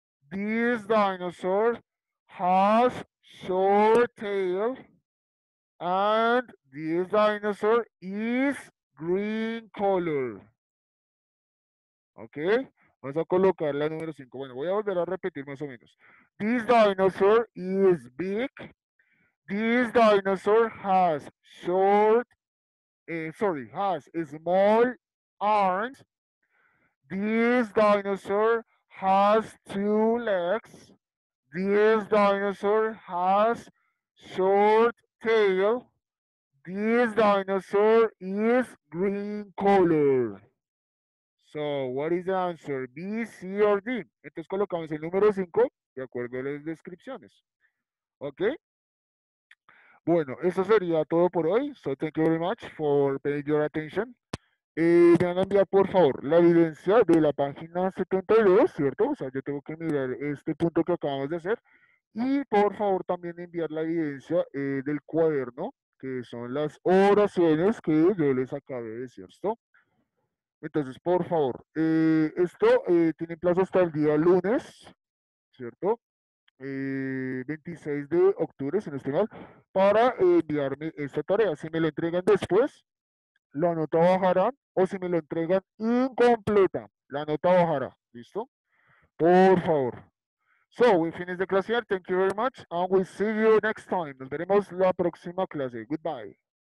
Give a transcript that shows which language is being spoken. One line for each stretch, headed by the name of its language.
English: This dinosaur has short tail. And this dinosaur is green color.
Spanish: Ok, vamos a colocar la número 5. Bueno, voy a volver a repetir más o menos.
English: This dinosaur is big. This dinosaur has short, sorry, has small arms. This dinosaur has two legs. This dinosaur has short tail. This dinosaur is green color. So, what is the answer? B, C or D?
Spanish: Entonces colocamos el número 5 de acuerdo a las descripciones. ¿Ok? Bueno, eso sería todo por hoy.
English: So, thank you very much for paying your attention.
Spanish: Me van a enviar, por favor, la evidencia de la página 72, ¿cierto? O sea, yo tengo que mirar este punto que acabamos de hacer. Y, por favor, también enviar la evidencia del cuaderno, que son las oraciones que yo les acabé de decir, ¿cierto? Entonces, por favor, esto tiene plazo hasta el día lunes, ¿cierto? 26 de octubre, si no estoy mal, para enviarme esta tarea. Si me lo entregan después, la nota bajará, o si me lo entregan incompleta, la nota bajará, ¿listo? Por favor.
English: So, we finish the class here. Thank you very much. And we'll see you next time.
Spanish: Nos veremos la próxima clase.
English: Goodbye.